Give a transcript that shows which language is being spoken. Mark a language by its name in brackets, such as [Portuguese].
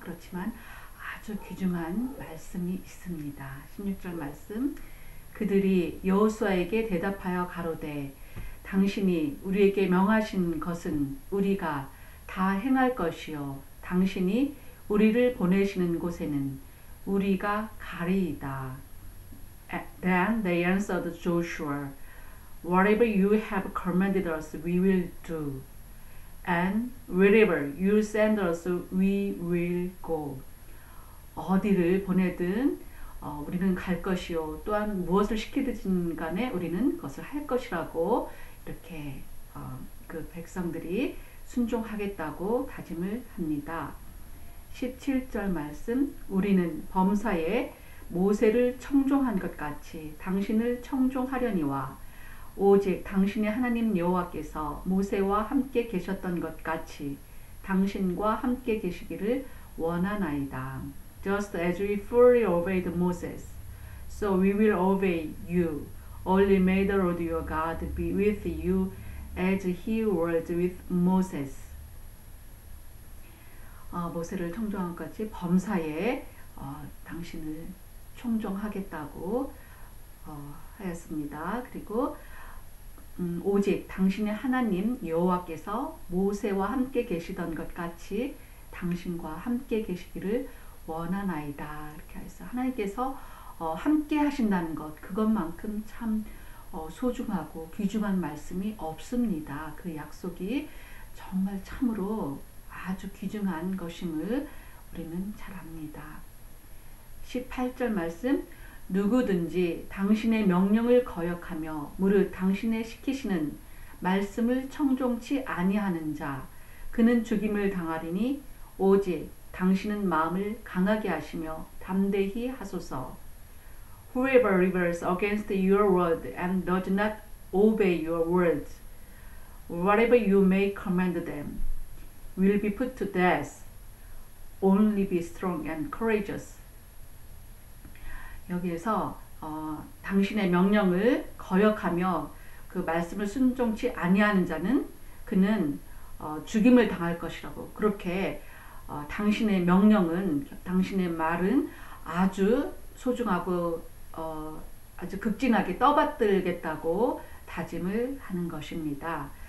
[Korean] 그렇지만 아주 귀중한 말씀이 있습니다. 16절 말씀. 그들이 여호수아에게 대답하여 가로되 당신이 우리에게 명하신 것은 우리가 다 행할 것이요 당신이 우리를 보내시는 곳에는 우리가 가리이다. [English] Then they answered Joshua, Whatever you have commanded us, we will do. And wherever you send us, we will go. [Korean] 어디를 보내든 우리는 갈 것이요 또한 무엇을 시키든 간에 우리는 그것을 할 것이라고 이렇게 그 백성들이 순종하겠다고 다짐을 합니다. 17절 말씀, 우리는 범사에 모세를 청종한 것 같이 당신을 청종하려니와 오직 당신의 하나님 여호와께서 모세와 함께 계셨던 것 같이 당신과 함께 계시기를 원하나이다. [English] Just as we fully obeyed Moses, so we will obey you. Only may the Lord your God be with you as he was with Moses. [Korean] 모세를 청종한 것 같이 범사에 당신을 청종하겠다고 하였습니다. 그리고 오직 당신의 하나님 여호와께서 모세와 함께 계시던 것 같이 당신과 함께 계시기를 원하나이다. 이렇게 해서 하나님께서 함께 하신다는 것, 그것만큼 참 소중하고 귀중한 말씀이 없습니다. 그 약속이 정말 참으로 아주 귀중한 것임을 우리는 잘 압니다. 18절 말씀, 누구든지 당신의 명령을 거역하며 무릇 당신의 시키시는 말씀을 청종치 아니하는 자, 그는 죽임을 당하리니 오직 당신은 마음을 강하게 하시며 담대히 하소서. [English] Whoever rebels against your word and does not obey your words, whatever you may command them, will be put to death. Only be strong and courageous. [Korean] 여기에서 당신의 명령을 거역하며 그 말씀을 순종치 아니하는 자는 그는 죽임을 당할 것이라고 그렇게 당신의 명령은 당신의 말은 아주 소중하고 아주 극진하게 떠받들겠다고 다짐을 하는 것입니다.